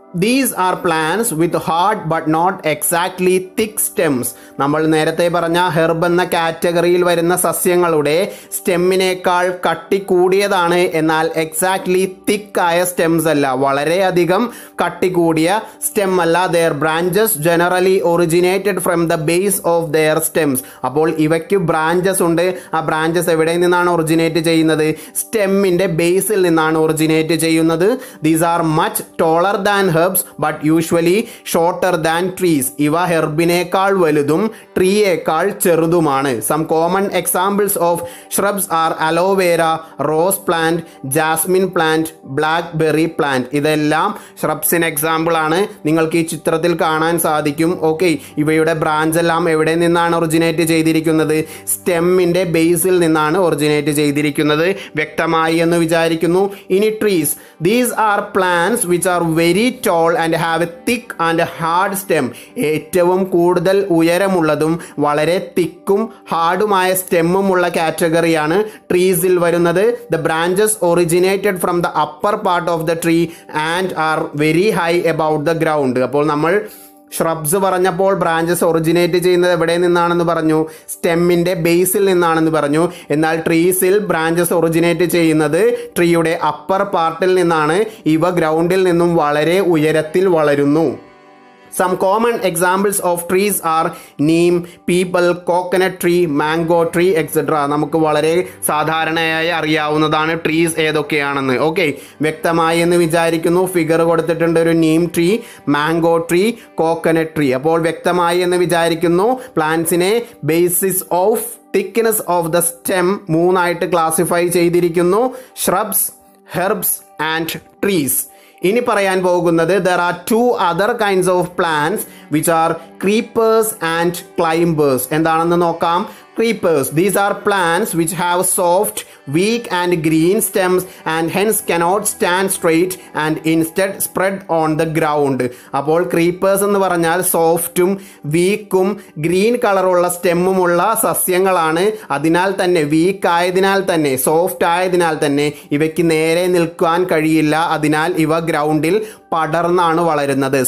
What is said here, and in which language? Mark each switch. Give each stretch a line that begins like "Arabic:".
English: These are plants with hard but not exactly thick stems.
Malayalam: നമ്മൾ നേരത്തെ പറഞ്ഞ herb എന്ന കാറ്റഗറിയിൽ വരുന്ന സസ്യങ്ങളുടെ സ്റ്റെമ്മിനേക്കാൾ കട്ടി കൂടിയതാണ്, എന്നാൽ എക്സാക്ട്ലി തിക്ക് ആയ സ്റ്റെംസ് അല്ല, വളരെയധികം കട്ടി കൂടിയ സ്റ്റെം അല്ല.
English: Their branches generally originated from the base of their stems.
Malayalam: അപ്പോൾ ഇവയ്ക്ക് ബ്രാഞ്ചസ് ഉണ്ട്. ആ ബ്രാഞ്ചസ് എവിടെ നിന്നാണ് ഒറിജിനേറ്റ് ചെയ്യുന്നത്? സ്റ്റെമ്മിൻ്റെ ബേസിൽ നിന്നാണ് ഒറിജിനേറ്റ് ചെയ്യുന്നത്.
English: These are much taller than herbs but usually shorter than trees.
Malayalam: ഇവ ഹെർബിനേക്കാൾ വലുതും ട്രീയേക്കാൾ ചെറുതുമാണ്.
English: Some common examples of shrubs are aloe vera, rose plant, jasmine plant, blackberry plant.
Malayalam: ഇതെല്ലാം ഷ്രബ്സിന് എക്സാമ്പിളാണ്. നിങ്ങൾക്ക് ഈ ചിത്രത്തിൽ കാണാൻ സാധിക്കും. ഓക്കെ, ഇവയുടെ ബ്രാഞ്ച് എല്ലാം എവിടെ നിന്നാണ് ഒറിജിനേറ്റ് ചെയ്തിരിക്കുന്നത്? സ്റ്റെമ്മിൻ്റെ ബേസിൽ നിന്നാണ് ഒറിജിനേറ്റ് ചെയ്തിരിക്കുന്നത്, വ്യക്തമായി എന്ന് വിചാരിക്കുന്നു. ഇനി trees.
English: These are plants which are very tall and have a thick and hard stem.
Malayalam: ഏറ്റവും കൂടുതൽ ഉയരമുള്ളതും വളരെ തിക്കും ഹാർഡുമായ സ്റ്റെമ്മും ഉള്ള കാറ്റഗറിയാണ് ട്രീസിൽ വരുന്നത്.
English: The branches originated from the upper part of the tree and are very high about the ground.
Malayalam: അപ്പോൾ നമ്മൾ shrubs പറഞ്ഞപ്പോൾ branches originate ചെയ്യുന്നത് എവിടെ നിന്നാണെന്ന് പറഞ്ഞു? സ്റ്റെമ്മിൻ്റെ ബേസിൽ നിന്നാണെന്ന് പറഞ്ഞു. എന്നാൽ ട്രീസിൽ ബ്രാഞ്ചസ് ഒറിജിനേറ്റ് ചെയ്യുന്നത് ട്രീയുടെ അപ്പർ പാർട്ടിൽ നിന്നാണ്. ഇവ ഗ്രൗണ്ടിൽ നിന്നും വളരെ ഉയരത്തിൽ വളരുന്നു.
English: Some common examples of trees are neem, peepal, coconut tree, mango tree, etc.
Malayalam: നമുക്ക് വളരെ സാധാരണയായി അറിയാവുന്നതാണ് ട്രീസ് ഏതൊക്കെയാണെന്ന്. ഓക്കെ, വ്യക്തമായി എന്ന് വിചാരിക്കുന്നു. ഫിഗർ കൊടുത്തിട്ടുണ്ട്, ഒരു Neem tree, mango tree, coconut tree. അപ്പോൾ വ്യക്തമായി എന്ന് വിചാരിക്കുന്നു, പ്ലാന്റ്സിനെ
English: basis of thickness of the stem
Malayalam: മൂന്നായിട്ട് ക്ലാസിഫൈ ചെയ്തിരിക്കുന്നു. Shrubs, herbs, and trees. ഇനി പറയാൻ പോകുന്നത്
English: There are two other kinds of plants which are creepers and climbers.
Malayalam: എന്താണെന്ന് നോക്കാം. Creepers.
English: These are plants which have soft, weak and green stems and hence cannot stand straight and instead spread on the ground.
Malayalam: അപ്പോൾ creepers എന്ന് പറഞ്ഞാൽ സോഫ്റ്റും വീക്കും green കളറുള്ള സ്റ്റെമ്മുമുള്ള സസ്യങ്ങളാണ്. അതിനാൽ തന്നെ soft ആയതിനാൽ തന്നെ ഇവയ്ക്ക് നേരെ നിൽക്കുവാൻ കഴിയില്ല. അതിനാൽ ഇവ ഗ്രൗണ്ടിൽ പടർന്നാണ് വളരുന്നത്.